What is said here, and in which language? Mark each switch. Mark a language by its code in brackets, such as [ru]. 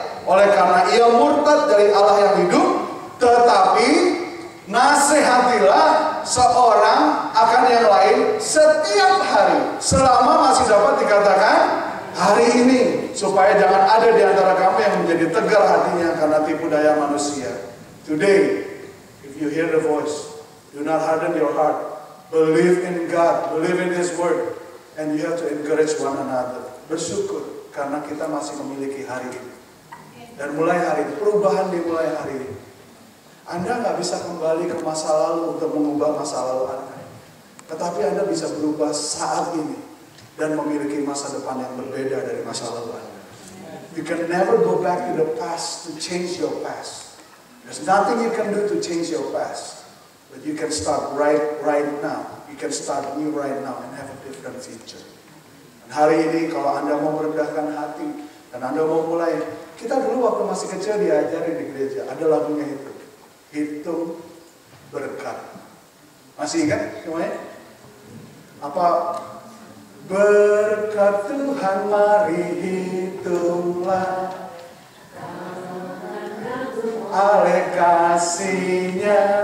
[id] Oleh karena ia murtad dari Allah yang hidup, tetapi nasihatilah seorang akan yang lain setiap hari. Selama masih dapat dikatakan hari ini, supaya jangan ada di antara kamu yang menjadi tegar hatinya karena tipu daya manusia. [en] Today, you hear the voice, do not harden your heart. Believe in God, believe in His word, and you have to encourage one another. [id] Bersyukur karena kita masih memiliki hari ini. Dan mulai hari ini, perubahan dimulai hari ini. Anda nggak bisa kembali ke masa lalu untuk mengubah masa lalu Anda. Tetapi Anda bisa berubah saat ini dan memiliki masa depan yang berbeda dari masa lalu Anda. [en] You can never go back to the past to change your past. There's nothing you can do to change your past. But you can start right now. You can start new right now and have a different future. [id] Dan hari ini kalau Anda mau merendahkan hati dan Anda mau mulai, kita dulu waktu masih kecil diajarin di gereja, ada lagunya itu. Hitung berkat. Masih ingat semuanya? Apa? Berkat Tuhan mari hitunglah, oleh kasih-Nya.